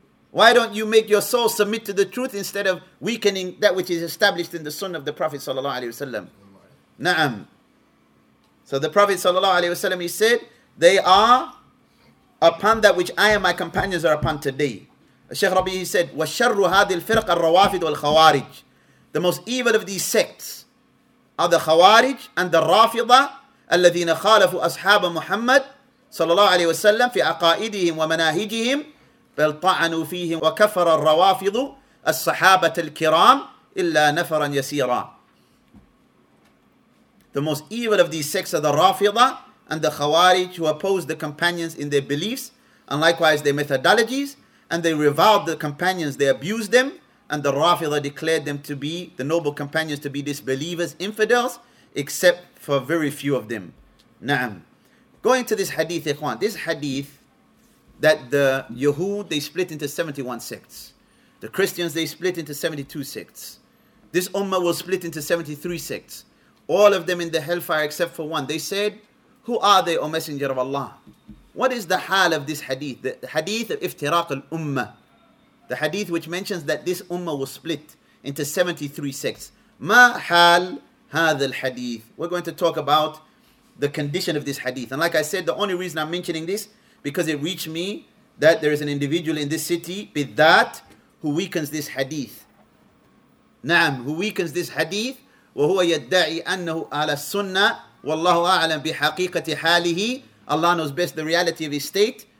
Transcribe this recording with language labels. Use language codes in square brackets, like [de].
[en] Why don't you make your soul submit to the truth instead of weakening that which is established in the sunnah of the Prophet sallallahu alaihi wasallam? Na'am. So the Prophet sallallahu alaihi wasallam, he said, they are upon that which I and my companions are upon today. Sheikh Rabi, he said, [ar] وَالشَّرُّ هَذِي الْفِرْقَ الرَّوَافِدُ وَالْخَوَارِجِ. [en] The most evil of these sects are the Khawarij and the Rafida, [ar] الذين خالفوا أصحاب محمد صلى الله عليه وسلم في عقائدهم ومناهجهم بل طعنوا فيهم وكفر الروافض الصحابة الكرام إلا نفرا يسيرا. [en] The most evil of these sects are the Rafida and the Khawarij, who oppose the companions in their beliefs and likewise their methodologies, and they reviled the companions, they abused them, and the Rafida declared them to be the noble companions, to be disbelievers, infidels, except for very few of them. Na'am. Going to this hadith, ikhwan, this hadith that the Yahud, they split into 71 sects. The Christians, they split into 72 sects. This Ummah will split into 73 sects. All of them in the hellfire except for one. They said, who are they, O Messenger of Allah? What is the hal of this hadith? The hadith of Iftiraq al-Ummah. The hadith which mentions that this Ummah will split into 73 sects. Ma hal [ar] هذا الحديث. [en] We're going to talk about the condition of this hadith. And like I said, the only reason I'm mentioning this, because it reached me that there is an individual in this city, بالذات, who weakens this hadith. [ar] نعم, [en] who weakens this hadith, [ar] وهو يدعي أنه على السنة والله أعلم بحقيقة حاله. [en] Allah knows best the reality of his state.